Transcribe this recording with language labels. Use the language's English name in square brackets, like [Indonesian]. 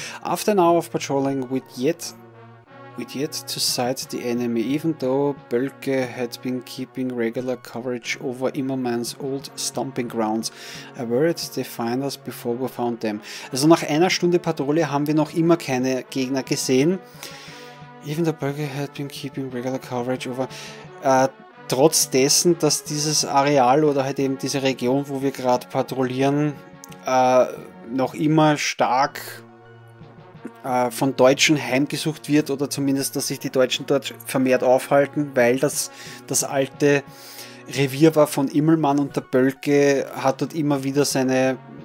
[English] After an hour of patrolling, we'd yet to sight the enemy, even though Bölke had been keeping regular coverage over Immermann's old stomping grounds. I worried they'd find us before we found them. [German] Also nach einer Stunde Patrouille haben wir noch immer keine Gegner gesehen. [English] Even though Bölke had been keeping regular coverage over... [German] trotz dessen, dass dieses Areal oder halt eben diese Region, wo wir gerade patrouillieren, noch immer stark von Deutschen heimgesucht wird, oder zumindest, dass sich die Deutschen dort vermehrt aufhalten, weil das alte Revier war von Immelmann, und der Bölke hat dort immer wieder seine